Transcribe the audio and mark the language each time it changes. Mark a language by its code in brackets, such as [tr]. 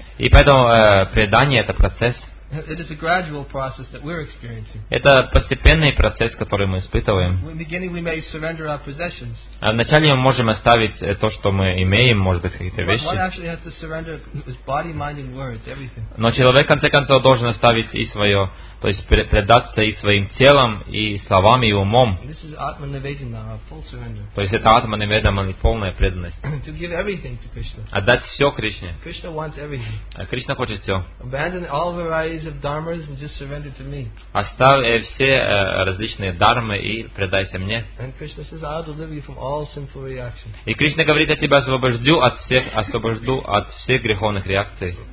[ru] И поэтому предание это процесс. [en] It is a gradual process that we're experiencing. [ru] Это постепенный процесс, который мы испытываем. [en] In the beginning, we may surrender our possessions. [ru] А вначале мы можем оставить то, что мы имеем, может быть, какие-то вещи. [en] One actually has to surrender his body, mind, and words, everything. [ru] Но человек, в конце концов, должен оставить и свое, то есть предаться и своим телом, и словами, и умом. [en] This is Atmanivedana, a full surrender. [ru] То есть это Атманиведана, полная преданность. [en] To give everything to Krishna. [ru] Отдать все Кришне. [en] Krishna wants everything. [ru] А Кришна хочет все. [en] Abandon all varieties of dharmas and just surrender to me. [ru] Оставь все различные дармы и предайся мне. [en] And Krishna says, I'll deliver you from all sinful reactions. [ru] И Кришна говорит, я тебя освобожу от всех, освобожу от всех греховных реакций.